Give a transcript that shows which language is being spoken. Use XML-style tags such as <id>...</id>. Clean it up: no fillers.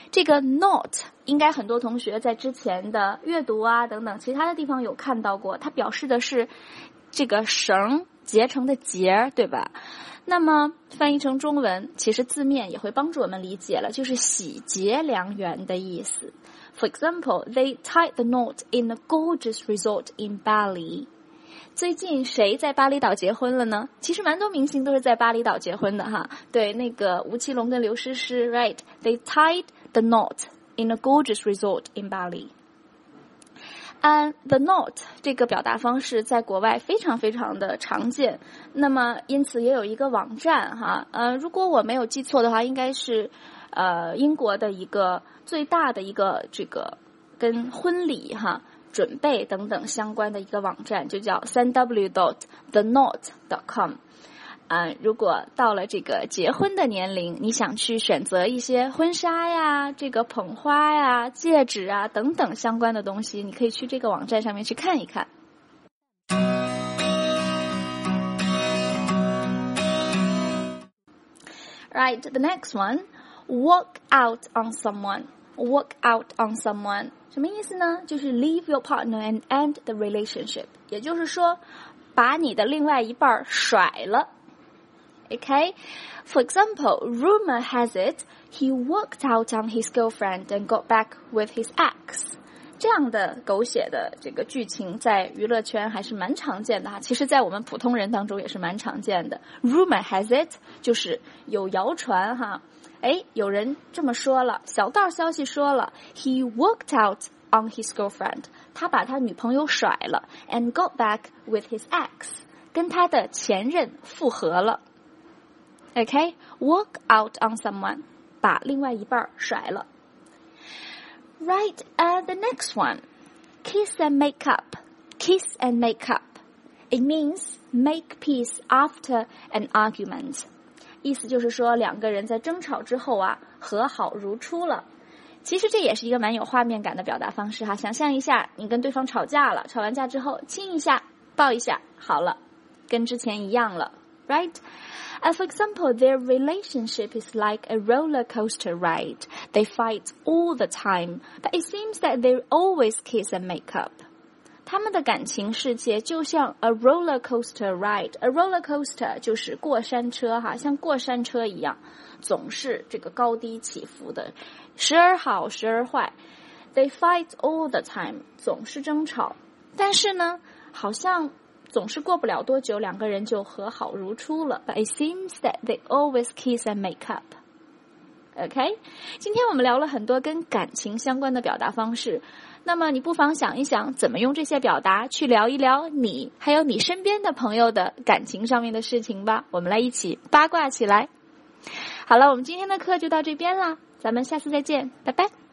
<zh>这个 knot 应该很多同学在之前的阅读啊等等其他的地方有看到过，它表示的是这个绳结成的结，对吧？那么翻译成中文，其实字面也会帮助我们理解了，就是喜结良缘的意思。</zh> <en>For example, they tied the knot in a gorgeous resort in Bali.</en> <zh>最近谁在巴厘岛结婚了呢？其实蛮多明星都是在巴厘岛结婚的哈。对，那个吴奇隆跟刘诗诗 ，right?</zh> <en>They tied the knot in a gorgeous resort in Bali.</en> <zh>The knot 这个表达方式在国外非常非常的常见。那么因此也有一个网站哈。如果我没有记错的话，应该是英国的一个。最大的一个这个跟婚礼哈准备等等相关的一个网站，就叫 www.theknot.com。如果到了这个结婚的年龄，你想去选择一些婚纱呀、这个捧花呀、戒指啊等等相关的东西，你可以去这个网站上面去看一看。</zh> <en>Right, the next one, walk out on someone. Walk out on someone.</en> <zh>什么意思呢？就是</zh> <en>leave your partner and end the relationship.</en> <zh>也就是说，把你的另外一半甩了。</zh> <en>Okay? For example, rumor has it, he walked out on his girlfriend and got back with his ex.</en> <zh>这样的狗血的这个剧情在娱乐圈还是蛮常见的哈，其实在我们普通人当中也是蛮常见的。</zh> <en>Rumor has it,</en> <zh>就是有谣传哈。哎，有人这么说了，小道消息说了 ，</zh> <en>He walked out on his girlfriend，</en> <zh>他把他女朋友甩了 ，</zh> <en>and got back with his ex，</en> <zh>跟他的前任复合了。</zh> <en>Okay， walk out on someone，</en> <zh>把另外一半甩了。</zh> <en>Right， the next one， kiss and make up， kiss and make up， it means make peace after an argument。</en> <zh>意思就是说两个人在争吵之后啊和好如初了。其实这也是一个蛮有画面感的表达方式哈，想象一下你跟对方吵架了，吵完架之后亲一下抱一下好了，跟之前一样了， right?</zh> <en>For example, their relationship is like a roller coaster ride. They fight all the time, but it seems that they always kiss and make up.</en> <zh>他们的感情世界就像</zh> <en>a roller coaster ride.</en> <zh>A roller coaster 就是过山车哈，像过山车一样，总是这个高低起伏的，时而好时而坏。</zh> <en>They fight all the time,</en> <zh>总是争吵。但是呢，好像总是过不了多久，两个人就和好如初了。</zh> <en>But it seems that they always kiss and make up.</en> <zh>OK， 今天我们聊了很多跟感情相关的表达方式，那么你不妨想一想怎么用这些表达去聊一聊你还有你身边的朋友的感情上面的事情吧，我们来一起八卦起来。好了，我们今天的课就到这边了，咱们下次再见，拜拜。</zh>